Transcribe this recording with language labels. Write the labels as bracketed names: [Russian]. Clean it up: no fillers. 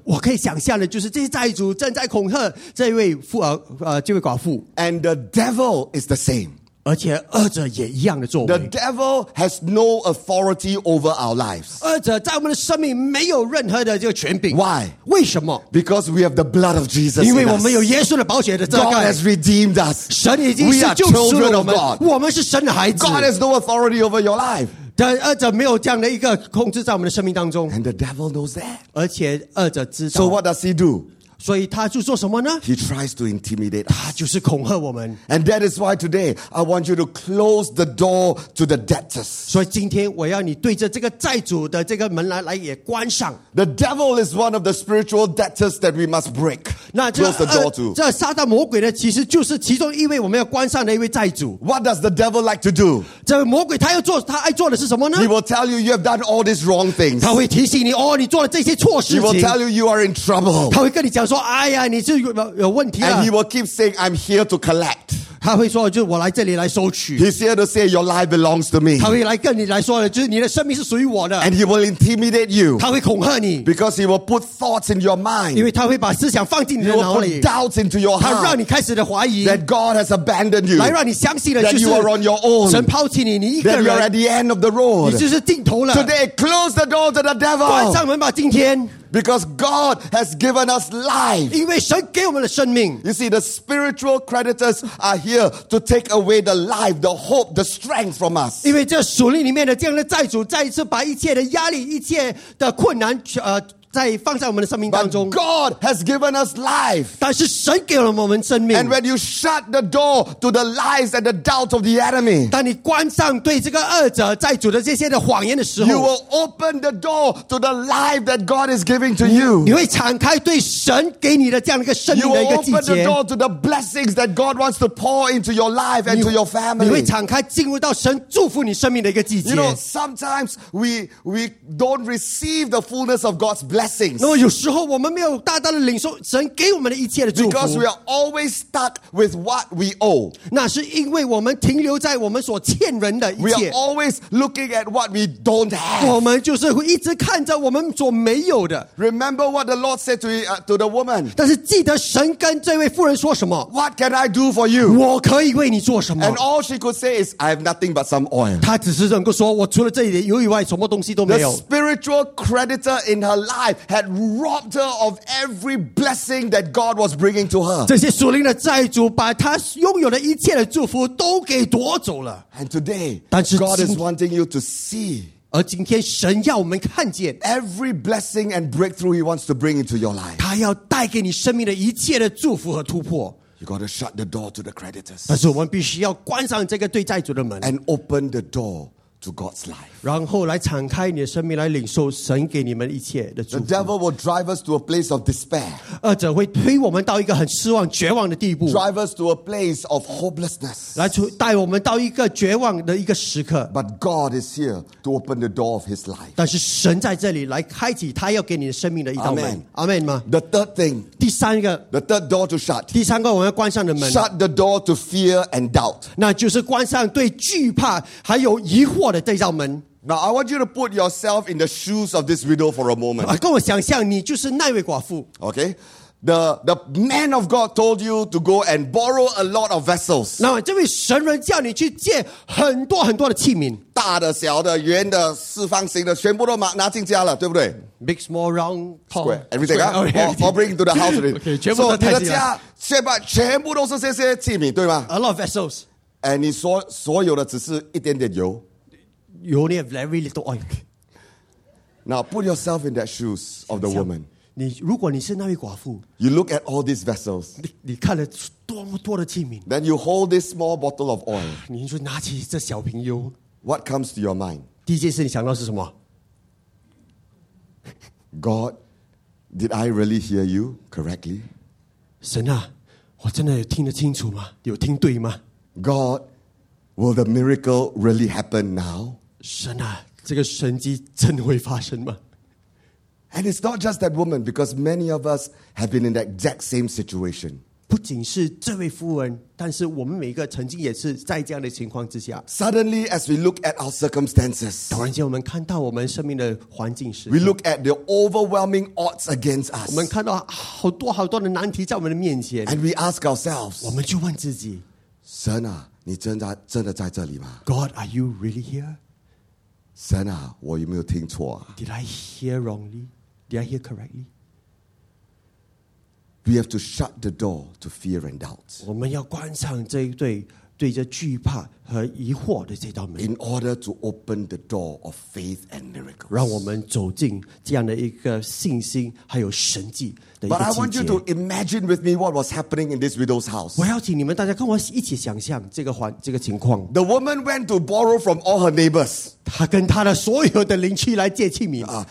[Chinese] 我可以想象的就是这些债主正在恐吓这位妇儿，这位寡妇。 [English] And the devil is the same. [Chinese] 而且恶者也一样的作为。 [English] The devil has no authority over our lives. [Chinese] 恶者在我们的生命没有任何的这个权柄。 [English] Why? [Chinese] 为什么？ [English] Because we have the blood of Jesus. [Chinese] 因为我们有耶稣的宝血的遮盖。 [English] God has redeemed us. [Chinese] 神已经是救赎了我们。我们是神的孩子。 [English] God has no authority over your life. [Chinese] 但二者没有这样的一个控制在我们的生命当中。 [English] And the devil knows that. [Chinese] 而且二者知道。 [English] So what does he do? [Chinese] 所以他就做什么呢？ [English] He tries to intimidate. [Chinese] 他就是恐吓我们。 [English] And that is why today I want you to close the door to the debtors. [Chinese] 所以今天我要你对着这个债主的这个门来也关上。 [English] The devil is one of the spiritual debtors that we must break. Close the door to. [Chinese] 这撒旦魔鬼呢，其实就是其中一位我们要关上的一位债主。 [English] What does the devil like to do? [Chinese] 这魔鬼他要做，他爱做的是什么呢？ [English] He will tell you you have done all these wrong things. [Chinese] 他会提醒你，哦，你做了这些错事情。 [English] He will tell you you are in trouble. [Chinese] 他会跟你讲说，哎呀，你是有问题了。 [English] And he will keep saying, I'm here to collect. [Chinese] 他会说，就我来这里来收取。 [English] He's here to say your life belongs to me. [Chinese] 他会来跟你来说，就是你的生命是属于我的。 [English] And he will intimidate you. [Chinese] 他会恐吓你。 [English] Because he will put thoughts in your mind. [Chinese] 因为他会把思想放进你的脑里。 [English] He will put doubts into your heart. [Chinese] 他让你开始的怀疑。 [English] That God has abandoned you. [Chinese] 来让你相信了，就是 [English] that you are on your own. [Chinese] 神抛弃你，你一个人。 [English] That you are at the end of the road. [Chinese] 你就是尽头了。 [English] Today, close the door to the devil. [Chinese] 关上门吧，今天。 [English] Because God has given us life. [Chinese] 因为神给我们的生命。 [English] You see, the spiritual creditors are here to take away the life, the hope, the strength from us. [Chinese] 因为这属灵里面的这样的债主，再一次把一切的压力、一切的困难，在放在我们的生命当中。 [English] But God has given us life. [Chinese] 但是神给了我们生命。 [English] And when you shut the door to the lies and the doubts of the enemy, [Chinese] 当你关上对这个恶者债主的这些的谎言的时候， [English] you will open the door to the life that God is giving to you. [Chinese] 你会敞开对神给你的这样一个生命的一个季节。 [English] You will open the door to the blessings that God wants to pour into your life and to your family. [Chinese] 你会敞开进入到神祝福你生命的一个季节。 [English] You know, sometimes we don't receive the fullness of God's blessings. blessings. [Chinese] 那么有时候我们没有大大的领受神给我们的一切的祝福。 [English] Because we are always stuck with what we owe. [Chinese] 那是因为我们停留在我们所欠人的一切。 [English] We are always looking at what we don't have. [Chinese] 我们就是会一直看着我们所没有的。 [English] Remember what the Lord said to the woman. [Chinese] 但是记得神跟这位妇人说什么。 [English] What can I do for you? [Chinese] 我可以为你做什么。 [English] And all she could say is, I have nothing but some oil. [Chinese] 她只是能够说，我除了这一点油以外，什么东西都没有。 [English] The spiritual creditor in her life had robbed her of every blessing that God was bringing to her. [Chinese] 这些属灵的债主把她拥有的一切的祝福都给夺走了。 [English] And today, God is wanting you to see. [Chinese] 而今天神要我们看见 [English] every blessing and breakthrough he wants to bring into your life. [Chinese] 他要带给你生命的一切的祝福和突破。 [English] You got to shut the door to the creditors. [Chinese] 但是我们必须要关上这个对债主的门。 [English] And open the door to God's life. [Chinese] 然后来敞开你的生命来领受神给你们一切的祝福。 [English] The devil will drive us to a place of despair. [Chinese] 恶者会推我们到一个很失望绝望的地步。 [English] Drive us to a place of hopelessness. [Chinese] 来带我们到一个绝望的一个时刻。 [English] But God is here to open the door of his life. [Chinese] 但是神在这里来开启他要给你的生命的一道门。 [English] Amen. Amen 吗 The third thing. [Chinese] 第三个。 [English] The third door to shut. [Chinese] 第三个我们要关上的门。 [English] Shut the door to fear and doubt. [Chinese] 那就是关上对惧怕还有疑惑的这道门。 [English] Now I want you to put yourself in the shoes of this widow for a moment. [Chinese] 跟我想象你就是那位寡妇。 [English] Okay, the man of God told you to go and borrow a lot of vessels. [Chinese] 那这位神人叫你去借很多很多的器皿，大的、小的、圆的、四方形的，全部都拿进家了，对不对 [English] ？Big, small, round, tall, square, everything. Square, okay, everything. All bring into the house. [Chinese] Okay, 全部都太极了。 So, 你的家全部都是这些器皿，对吗 [English] ？A lot of vessels. [Chinese] And 你说所有的只是一点点油。 [English] You only have very little oil. Now put yourself in that shoes of the woman. [Chinese] 你如果你是那位寡妇 [English] you look at all these vessels. [Chinese] 你看了多么多的器皿 [English] then you hold this small bottle of oil. [Chinese] 你就拿起这小瓶油 [English] what comes to your mind? [Chinese] 第一件事你想到是什么 [English] God, did I really hear you correctly? [Chinese] 神啊，我真的有听得清楚吗？有听对吗？ [English] God, will the miracle really happen now? [Chinese] 神啊，这个神迹真会发生吗？ [English] And it's not just that woman, because many of us have been in that exact same situation. [Chinese] 不仅是这位妇人，但是我们每一个曾经也是在这样的情况之下。 [English] Suddenly, as we look at our circumstances, [Chinese] 突然间我们看到我们生命的环境时， [English] we look at the overwhelming odds against us. [Chinese] 我们看到好多好多的难题在我们的面前。 [English] And we ask ourselves, [Chinese] 我们就问自己，神啊，你真的在这里吗？ [English] God, are you really here? [Chinese] 神啊，我有没有听错啊？ [English] Did I hear wrongly? Did I hear correctly? We have to shut the door to fear and doubt. [Chinese] 我们要关上这一对对着惧怕和疑惑的这道门。 [English] In order to open the door of faith and miracles. [Chinese] 让我们走进这样的一个信心还有神迹的一个季节。 [English] But I want you to imagine with me what was happening in this widow's house. [Chinese] 我邀请你们大家跟我一起想象这个情况。 [English] The woman went to borrow from all her neighbors. [Chinese] 她跟她的所有的邻居来借器皿。